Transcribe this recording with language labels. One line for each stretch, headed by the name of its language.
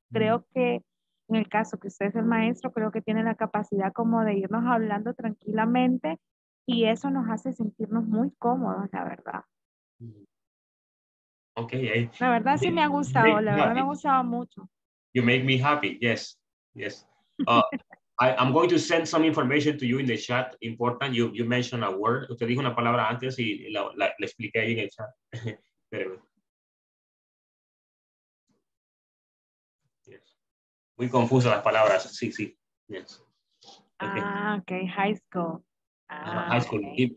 Spanish: Creo que en el caso que usted es el maestro, creo que tiene la capacidad como de irnos hablando tranquilamente. Y eso nos hace sentirnos muy cómodos, la verdad.
English: Ok. Hey.
Spanish: La verdad sí me ha gustado, la verdad me ha gustado mucho.
English: You make me happy, yes. Yes. I'm going to send some information to you in the chat. Important, you mentioned a word.
Spanish: Usted dijo una palabra antes y la expliqué ahí en el chat. Espérame. Yes. Muy confusa las palabras, sí, sí. Yes.
English: Okay. Ah, ok, high school. High school. Okay.